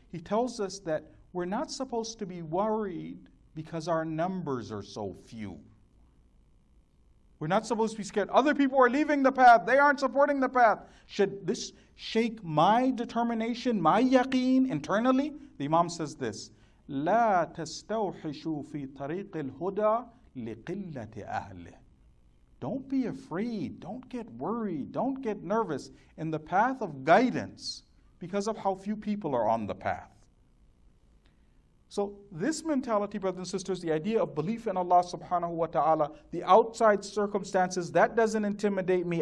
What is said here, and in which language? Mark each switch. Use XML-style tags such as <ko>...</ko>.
<en>He tells us that we're not supposed to be worried because our numbers are so few. We're not supposed to be scared. Other people are leaving the path. They aren't supporting the path. Should this shake my determination, my yaqeen internally? The Imam says this,</en> <ar>لَا تَسْتَوْحِشُوا فِي طَرِيقِ الْهُدَىٰ لِقِلَّةِ أَهْلِهِ.</ar> <en>Don't be afraid. Don't get worried. Don't get nervous in the path of guidance because of how few people are on the path. So this mentality, brothers and sisters, the idea of belief in Allah subhanahu wa ta'ala, the outside circumstances, that doesn't intimidate me.</en>